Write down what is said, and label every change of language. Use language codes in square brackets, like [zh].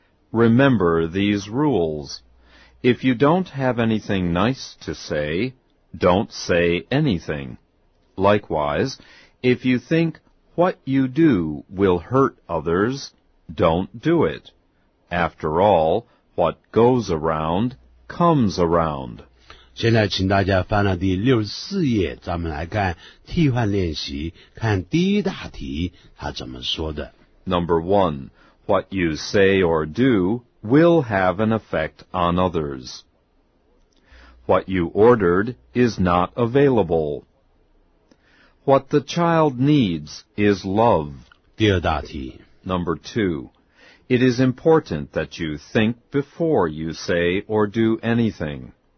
[en] Remember these rules. If you don't have anything nice to say, don't say anything. Likewise, if you think what you do will hurt others, don't do it. After all, what goes around comes around. [zh] 现在请大家翻到第64页，咱们来看替换练习，看第一大题他怎么说的。 [en] Number one. What you say or do will have an effect on others. What you ordered is not available. What the child needs is love. [zh] 第二大题。 [en] Number two, it is important that you think before you say or do anything.